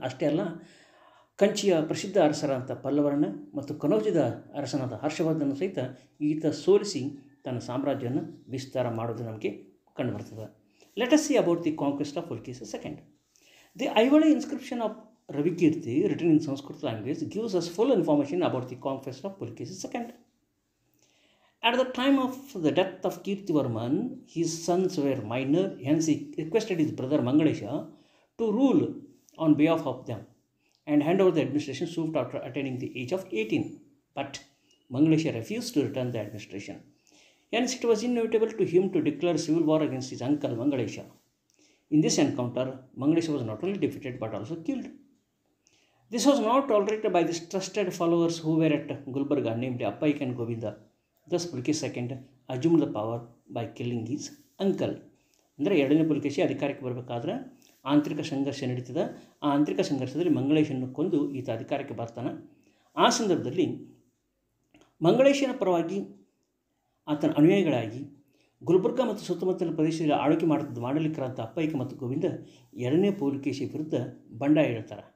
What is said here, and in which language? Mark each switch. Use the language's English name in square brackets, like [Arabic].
[Kannada] ಅಷ್ಟೇ ಅಲ್ಲ, ಕಂಚಿಯ ಪ್ರಸಿದ್ಧ ಅರಸರಾದಂಥ ಪಲ್ಲವರನ್ನ ಮತ್ತು ಕನೌಜದ ಅರಸನಾದ ಹರ್ಷವರ್ಧನ ಸಹಿತ ಈತ ಸೋಲಿಸಿ ತನ್ನ ಸಾಮ್ರಾಜ್ಯವನ್ನು ವಿಸ್ತಾರ ಮಾಡೋದು ನಮಗೆ ಕಂಡುಬರ್ತದೆ. [English] Let us see about the conquest of Pulakeshi second. The Aihole inscription of Ravikirti written in Sanskrit language gives us full information about the conquest of Pulakeshi second. At the time of the death of Kirtivarman, his sons were minor, hence he requested his brother Mangalesha to rule on behalf of them and hand over the administration soon after attaining the age of 18. But Mangalesha refused to return the administration. Hence it was inevitable to him to declare civil war against his uncle Mangalesha. In this encounter, Mangalesha was not only defeated but also killed. This was not tolerated by the trusted followers who were at Gulbarga, named Appayak and Govinda. Thus Pulakeshi second assumed the power by killing his uncle. [Kannada] ಅಂದರೆ ಎರಡನೇ ಪುಲಿಕೇಶಿ ಅಧಿಕಾರಕ್ಕೆ ಬರಬೇಕಾದ್ರೆ ಆಂತರಿಕ ಸಂಘರ್ಷ ನಡೀತದೆ. ಆ ಆಂತರಿಕ ಸಂಘರ್ಷದಲ್ಲಿ ಮಂಗಳೇಶನ್ನು ಕೊಂದು ಈತ ಅಧಿಕಾರಕ್ಕೆ ಬರ್ತಾನೆ. ಆ ಸಂದರ್ಭದಲ್ಲಿ ಮಂಗಳೇಶನ ಪರವಾಗಿ ಆತನ ಅನುಯಾಯಿಗಳಾಗಿ ಗುಲ್ಬರ್ಗ ಮತ್ತು ಸುತ್ತಮುತ್ತಲಿನ ಪ್ರದೇಶದಲ್ಲಿ ಆಳ್ವಿಕೆ ಮಾಡಲಿಕ್ಕಿರುವಂಥ ಅಪ್ಪಯ್ಯಕ ಮತ್ತು ಗೋವಿಂದ ಎರಡನೇ ಪುಲಿಕೇಶಿ ವಿರುದ್ಧ ಬಂಡಾಯ ಇಡ್ತಾರೆ.